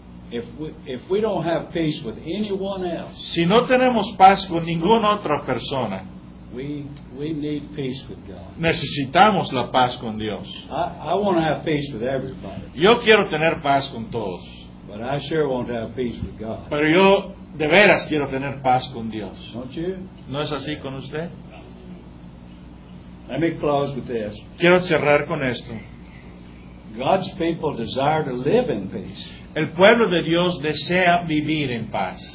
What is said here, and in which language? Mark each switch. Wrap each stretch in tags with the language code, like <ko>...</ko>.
<en>If we don't have peace with anyone else,</en> <es>si no tenemos paz con ninguna otra persona,</es> <en>we need peace with God.</en> <es>Necesitamos la paz con Dios.</es> <en>I want to have peace with everybody.</en> <es>Yo quiero tener paz con todos.</es> <en>But I sure want to have peace with God.</en> <es>Pero yo de veras quiero tener paz con Dios.</es> <en>Don't you?</en> <es>¿No es así con usted?</es> <en>Let me close with this.</en> <es>Quiero cerrar con esto.</es> <en>God's people desire to live in peace.</en> <es>El pueblo de Dios desea vivir en paz.</es>